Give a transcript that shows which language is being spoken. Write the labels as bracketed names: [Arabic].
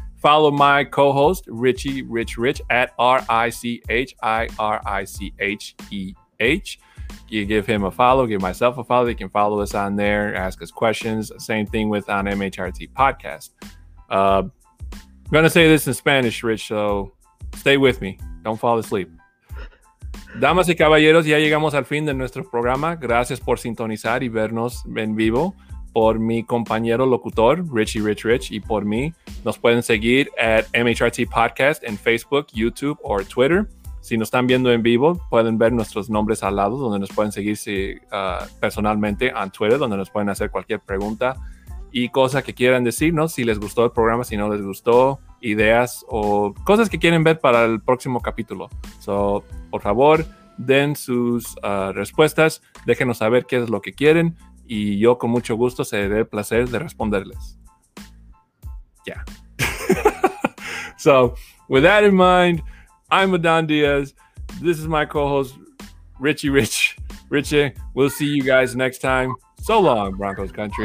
[English] Follow my co-host, Richie Rich Rich, at R-I-C-H-I-R-I-C-H-E-H. You give him a follow, give myself a follow. You can follow us on there, ask us questions. Same thing with on MHRT Podcast. I'm going to say this in Spanish, Rich, so stay with me. Don't fall asleep. [Spanish] Damas y caballeros, ya llegamos al fin de nuestro programa. Gracias por sintonizar y vernos en vivo. Por mi compañero locutor, Richie Rich Rich, y por mí. Nos pueden seguir at MHRT Podcast en Facebook, YouTube, or Twitter. Si nos están viendo en vivo, pueden ver nuestros nombres al lado, donde nos pueden seguir personalmente en Twitter, donde nos pueden hacer cualquier pregunta y cosa que quieran decirnos, si les gustó el programa, si no les gustó, ideas o cosas que quieren ver para el próximo capítulo. So, por favor, den sus respuestas, déjenos saber qué es lo que quieren y yo con mucho gusto seré el placer de responderles. [English] Yeah. So, with that in mind, I'm Adan Diaz. This is my co-host, Richie Rich. Richie, we'll see you guys next time. So long, Broncos country.